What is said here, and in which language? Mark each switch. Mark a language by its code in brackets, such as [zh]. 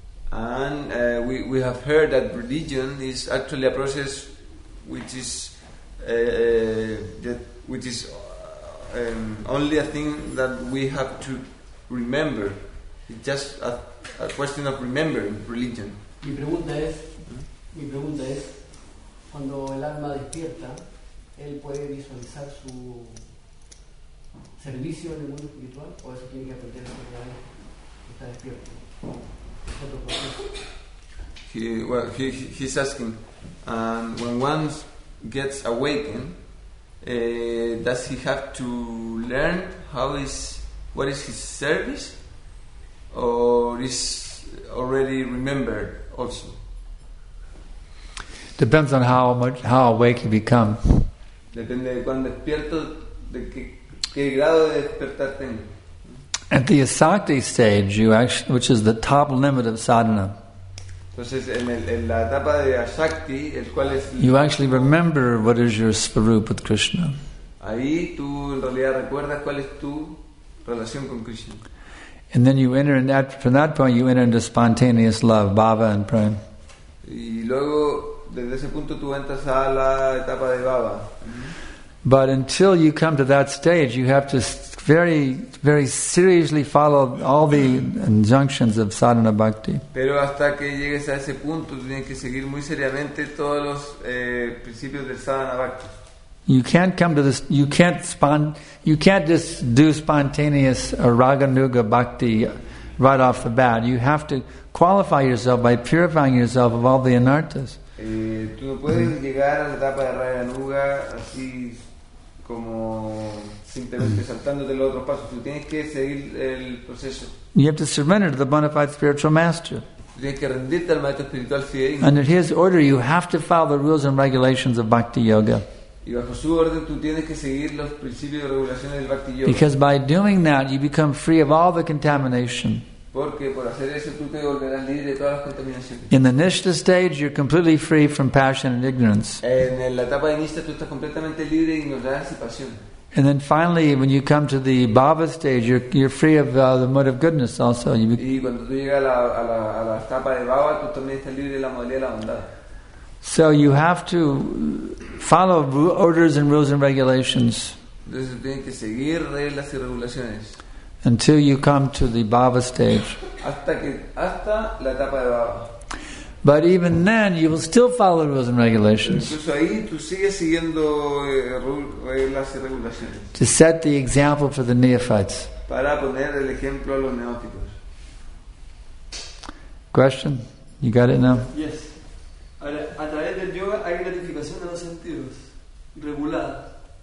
[en] And we have heard that religion is actually a process which is only a thing that we have to remember. It's just a question of remembering religion. [es] Mi pregunta es, cuando el alma despierta, él puede visualizar su servicio en el mundo espiritual, o eso tiene que aprender a que está despierto. [en] He's asking, when one gets awakened, does he have to learn what is his service, or is already remembered also? Depends on how awake you become. [es] Depende de cuán despierto, de qué grado de despertar tengo. [en] At the asakti stage, which is the top limit of sadhana, you actually remember what is your svarup with Krishna. [es] Ahí tú en realidad recuerdas cuál es tu relación con Krishna. [en] And then you enter, from that point, you enter into spontaneous love, bhava and prem. [es] Y luego desde ese punto tú entras a la etapa de bhava. [en] But until you come to that stage, you have to very, very seriously follow all the injunctions of sadhana bhakti. [es] Pero hasta que llegues a ese punto, tienes que seguir muy seriamente todos los principios del sadhana bhakti. [en] You can't come to this. You can't just do spontaneous raganuga bhakti right off the bat. You have to qualify yourself by purifying yourself of all the anarthas. [es] Tú no puedes llegar a la etapa de raganuga así. Como simplemente saltándote los otros pasos, tú tienes que seguir el proceso. [en] You have to surrender to the bona fide spiritual master. [es] Tú tienes que rendirte al maestro espiritual fidedigno. [en] Under his order, you have to follow the rules and regulations of Bhakti Yoga. [es] Y bajo su orden, tú tienes que seguir los principios y regulaciones del Bhakti Yoga. [en] Because by doing that, you become free of all the contamination. [es] Porque por hacer eso, tú te volverás libre de todas las contaminaciones. [en] In the nishtha stage, you're completely free from passion and ignorance. [es] En la etapa de nishtha, tú estás completamente libre de ignorancia y pasión. [en] And then finally, when you come to the bhava stage, you're free of the mode of goodness also. [es] Y cuando tú llegas a la etapa de bhava, tú también estás libre de la modalidad de la bondad. [en] So you have to follow orders and rules and regulations. [es] Entonces tienen que seguir reglas y regulaciones. [en] Until you come to the bhava stage. [es] Hasta la etapa de bhava. [en] But even then, you will still follow rules and regulations. [es] Incluso ahí, tú sigues siguiendo reglas y regulaciones. [en] To set the example for the neophytes. [es] Para poner el ejemplo a los neófitos. [en] Question? You got it now? Yes. [es] Ahora, a través del yoga hay gratificación de los sentidos, regulada.